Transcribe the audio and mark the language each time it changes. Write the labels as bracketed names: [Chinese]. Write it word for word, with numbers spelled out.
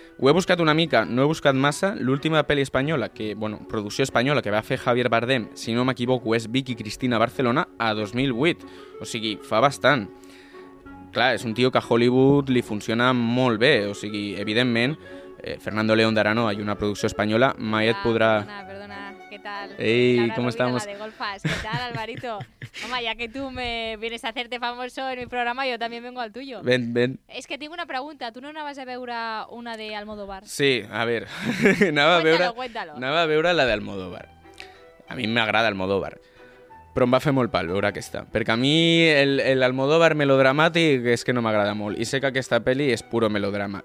[Catalan] Ho he buscat una mica, no he buscat massa, l'última pel·li espanyola, que, bueno, producció espanyola que va fer Javier Bardem, si no m'equivoco, és Vicky Cristina Barcelona a dos mil vuit, o sigui, fa bastant. Clar, és un tio que a Hollywood li funciona molt bé, o sigui, evidentment, [Spanish] eh, Fernando León de Aranoa y una producción española, Mayet ah, podrá... Perdona, perdona, ¿qué tal? Ey, Laura ¿cómo Rubina, estamos? La de Golfas. ¿Qué tal, Alvarito? Mamá, ya que tú me vienes a hacerte famoso en mi programa, yo también vengo al tuyo. Ven, ven. [Catalan] És que tinc una pregunta. Tu no anaves a veure una de Almodóvar? Sí, [Spanish] a ver. [Catalan] anava, a veure, [Spanish] Cuéntalo, cuéntalo. [Catalan] anava a veure la d'Almodóvar. A mi m'agrada Almodóvar. Però em va fer molt pal veure aquesta. Perquè a mi el, el Almodóvar melodramàtic és que no m'agrada molt. I sé que aquesta peli és [Spanish] puro melodrama.